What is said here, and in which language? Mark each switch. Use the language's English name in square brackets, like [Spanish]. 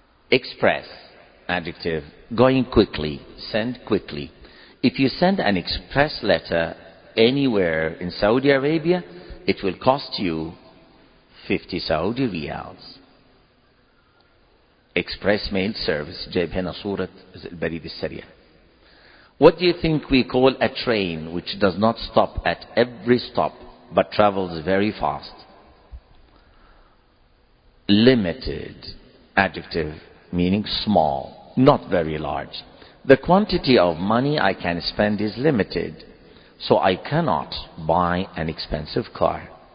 [English] Express, adjective, going quickly, send quickly. If you send an express letter anywhere in Saudi Arabia, it will cost you 50 Saudi riyals. Express mail service, [Arabic] جايب هنا صورة البريد السريع. [English] What do you think we call a train which does not stop at every stop but travels very fast? Limited, adjective, meaning small, not very large. The quantity of money I can spend is limited, so I cannot buy an expensive car.